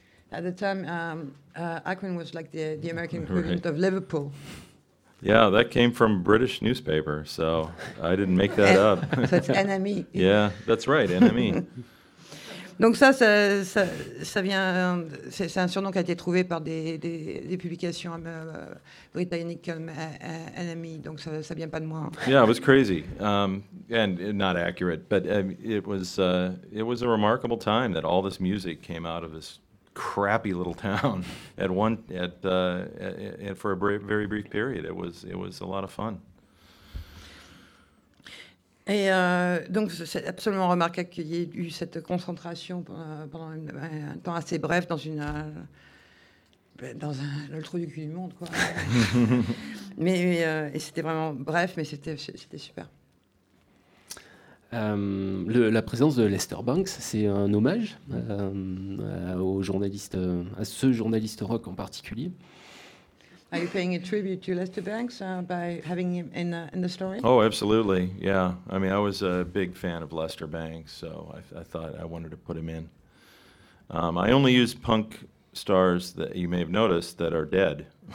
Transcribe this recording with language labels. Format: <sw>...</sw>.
<en>At the time, Akron was like the American equivalent of Liverpool. Yeah, that came from British newspaper, so I didn't make that up. So it's NME. Yeah, that's right, NME.</en> <fr>Donc ça vient, c'est un surnom qui a été trouvé par des publications britanniques comme NME, donc ça vient pas de moi.</fr> <en>Yeah, it was crazy, and not accurate, but it was a remarkable time that all this music came out of this crappy little town at for a very brief period. It was a lot of fun.</en> <fr>Et donc, c'est absolument remarquable qu'il y ait eu cette concentration pendant un temps assez bref dans le trou du cul du monde, quoi. Et c'était vraiment bref, mais c'était super. La présence de Lester Banks, c'est un hommage à ce journaliste rock en particulier.</fr> <en>Are you paying a tribute to Lester Banks by having him in the story? Oh, absolutely. Yeah. I mean, I was a big fan of Lester Banks, so I thought I wanted to put him in. I only use punk stars that you may have noticed that are dead.</en>